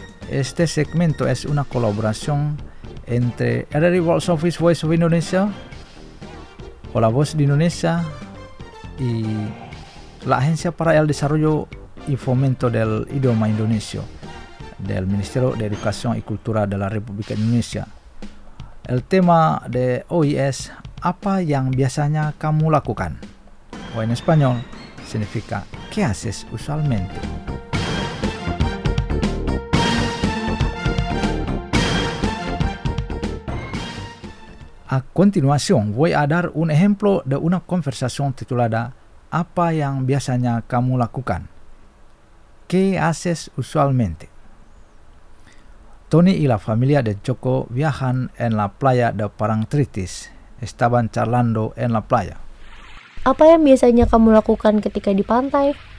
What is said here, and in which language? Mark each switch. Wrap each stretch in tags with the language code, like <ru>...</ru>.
<es>Este segmento es una colaboración entre RRI World Service Voice of Indonesia, Hola Voz de Indonesia y la Agencia para el Desarrollo y Fomento del Idioma Indonesio del Ministerio de Educación y Cultura de la República Indonesia. El tema de hoy es</es> <id>Apa yang biasanya kamu lakukan?</id> <es>O en español significa ¿Qué haces usualmente? A continuación, voy a dar un ejemplo de una conversación titulada</es> <id>Apa yang biasanya kamu lakukan?</id> <es>¿Qué haces usualmente? Tony y la familia de Joko viajan en la playa de Parangtritis. Estaban charlando en la playa.</es> <id>Apa yang biasanya kamu lakukan ketika di pantai?</id>